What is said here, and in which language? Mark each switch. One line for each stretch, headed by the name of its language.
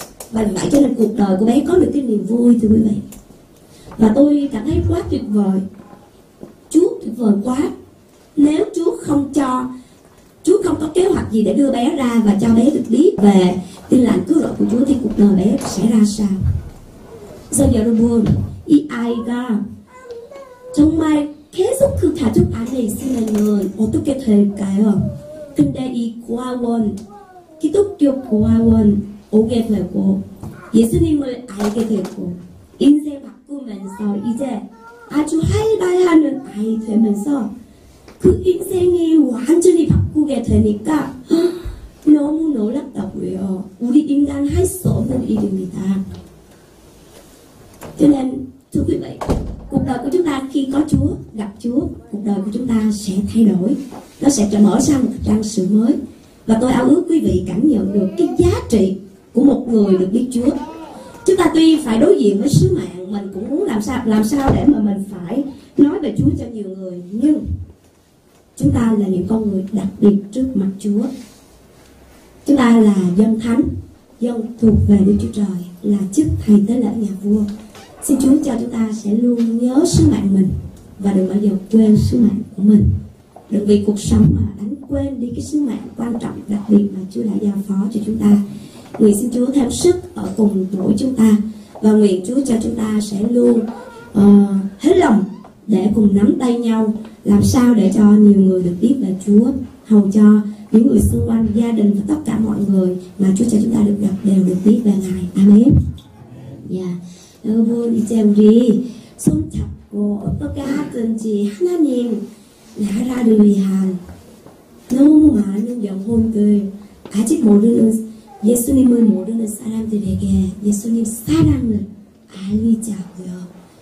Vietnamese: Và vậy cho nên cuộc đời của bé có được cái niềm vui thưa quý vị. Và tôi cảm thấy quá tuyệt vời. Chúa tuyệt vời quá. Nếu Chúa không cho, Chúa không có kế hoạch gì để đưa bé ra và cho bé được biết về tin lành cứu rỗi của Chúa thì cuộc đời bé sẽ ra sao? Giờ giờ tôi buồn. Ý ai ra?
Korean: 정말 계속 그 가족 안에 있으면은 어떻게 될까요? 근데 이 고아원, 기독교 고아원 오게 되고 예수님을 알게 되고 인생 바꾸면서 이제 아주 활발하는 아이 되면서 그 인생이 완전히 바꾸게 되니까 너무 놀랍다고요. 우리 인간 할 수 없는 일입니다. 저는 두근거리
Vietnamese: cuộc đời của chúng ta khi có Chúa, gặp Chúa, cuộc đời của chúng ta sẽ thay đổi. Nó sẽ mở ra một trang sử mới. Và tôi ao ước quý vị cảm nhận được cái giá trị của một người được biết Chúa. Chúng ta tuy phải đối diện với sứ mạng, mình cũng muốn làm sao để mà mình phải nói về Chúa cho nhiều người. Nhưng chúng ta là những con người đặc biệt trước mặt Chúa. Chúng ta là dân thánh, dân thuộc về Đức Chúa Trời, là chức thầy tế lễ nhà vua. Xin Chúa cho chúng ta sẽ luôn nhớ sứ mạng mình và đừng bao giờ quên sứ mạng của mình. rồi vì cuộc sống mà đánh quên đi cái sứ mạng quan trọng đặc biệt mà Chúa đã giao phó cho chúng ta. Nguyện xin Chúa thêm sức ở cùng mỗi chúng ta, và nguyện Chúa cho chúng ta sẽ luôn hết lòng để cùng nắm tay nhau làm sao để cho nhiều người được biết về Chúa, hầu cho những người xung quanh, gia đình và tất cả mọi người mà Chúa cho chúng ta được gặp đều được biết về Ngài. Amen. Dạ. Yeah.
Korean: 여러분 이제 우리 손 잡고 어떻게 하든지 하나님 나라를 위한 너무 많은 영혼들 아직 모르는 예수님을 모르는 사람들에게 예수님 사랑을 알리자고요.